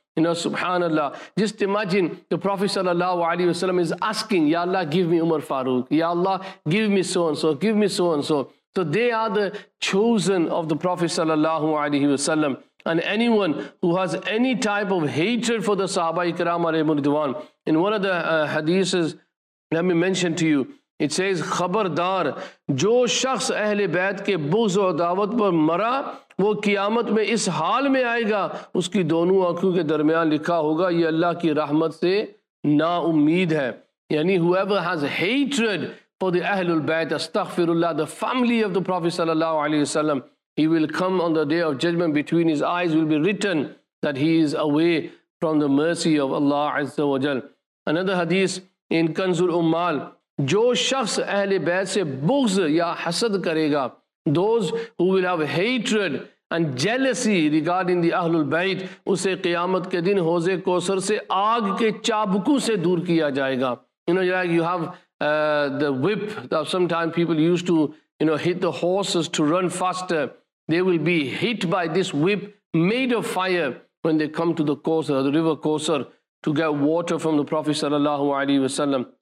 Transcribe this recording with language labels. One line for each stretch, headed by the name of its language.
English: You know, subhanallah. Just imagine the Prophet sallallahu alayhi wa sallam is asking, Ya Allah, give me Umar Farooq. Ya Allah, give me so and so. Give me so and so. So they are the chosen of the Prophet sallallahu alayhi wa sallam. And anyone who has any type of hatred for the Sahaba-i-Kiram, in one of the hadiths, let me mention to you, It says,
Urdu: خبردار جو شخص اہل بیت کے بغض و عداوت پر مرا وہ قیامت میں اس حال میں آئے گا اس کی دونوں آنکھوں کے درمیان لکھا ہوگا یہ اللہ کی رحمت سے نا امید ہے.
English: یعنی whoever has hatred for the اہل البیت استغفر اللہ the family of the Prophet صلی اللہ علیہ وسلم he will come on the day of judgment between his eyes will be written that he is away from the mercy of Allah عز و جل.
Urdu: Another حدیث in کنز الامال جو شخص اہل بیت سے بغض یا حسد کرے گا
English: those who will have hatred and jealousy regarding the
Urdu: اہل البیت اسے قیامت کے دن حوض کوثر سے آگ کے چابکوں سے دور کیا جائے گا.
English: You know, like you have the whip that sometimes people used to you know hit the horses to run faster they will be hit by this whip made of fire when they come to the Kawthar the river Kawthar to get water from the Prophet sallallahu alaihi wasallam.